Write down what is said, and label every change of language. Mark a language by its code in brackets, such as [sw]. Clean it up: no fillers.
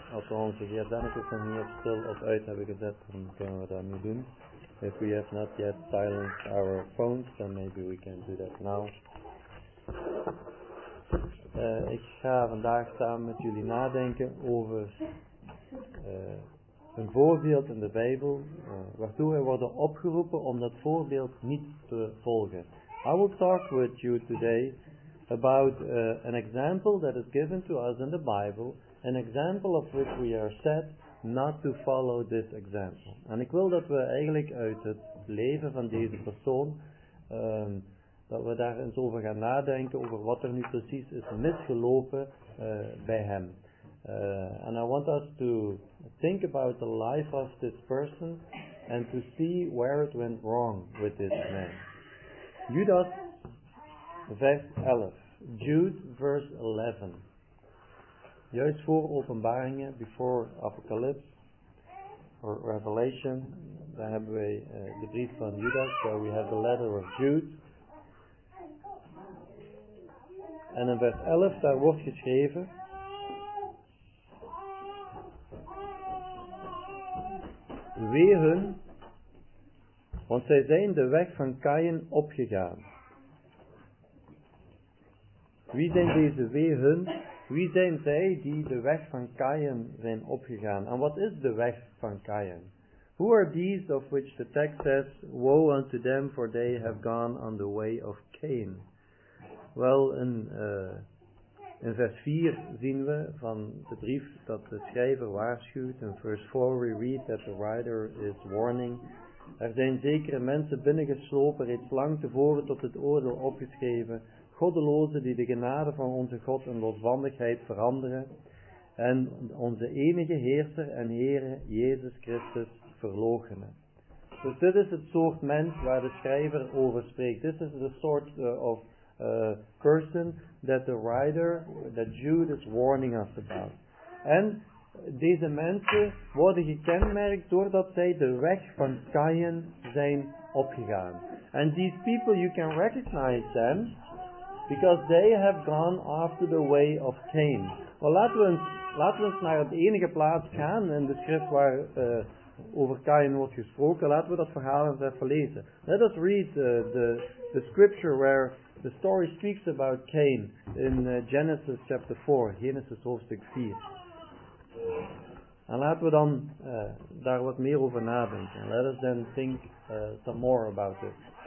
[nl] Althans, [en] if you have done it, if we have still [nl] op uit, heb ik gezet, dan kunnen we dat nu doen. [en] If we have not yet silenced our phones, then maybe we can do that now. [nl] Ik ga vandaag samen met jullie nadenken over een voorbeeld in de Bijbel, waartoe wij worden opgeroepen om dat voorbeeld niet te volgen. [en] I will talk with you today about an example that is given to us in the Bible, an example of which we are said not to follow this example. [nl] En ik wil dat we eigenlijk uit het leven van deze persoon, dat we daar eens over gaan nadenken, over wat er nu precies is misgelopen bij hem. [en] And I want us to think about the life of this person and to see where it went wrong with this man. [nl] Judas, vers 11. Jude, vers 11. Juist voor Openbaringen, [en] before Apocalypse, or Revelation, [nl] daar hebben wij de brief van Judas, [en] where we have the letter of Jude. [nl] En in vers 11, daar wordt geschreven. Wee hun, want zij zijn de weg van Kain opgegaan. Wie zijn deze wee hun? Wie zijn zij die de weg van Kain zijn opgegaan? En wat is de weg van Kain? [en] Who are these of which the text says, woe unto them, for they have gone on the way of Cain? [nl] Wel, in vers 4 zien we van de brief dat de schrijver waarschuwt. [en] In vers 4 we read that the writer is warning. [nl] Er zijn zekere mensen binnengeslopen, reeds lang tevoren tot het oordeel opgeschreven. Goddelozen die de genade van onze God in losbandigheid veranderen. En onze enige heerser en Here Jezus Christus verloochenen. Dus dit is het soort mens waar de schrijver over spreekt. Dit is de soort [en] of person that the writer, that Jude is warning us about. [nl] En deze mensen worden gekenmerkt doordat zij de weg van Kain zijn opgegaan. [en] And these people, you can recognize them because they have gone after the way of Cain. [nl] Well, laten we eens naar het enige plaats gaan in de schrift waar over Kain wordt gesproken. Laten we dat verhaal eens even lezen. [en] Let us read the scripture where the story speaks about Cain in Genesis chapter 4, [nl] Genesis hoofdstuk 4. En laten we dan daar wat meer over nadenken. [en] Let us then think some more about it.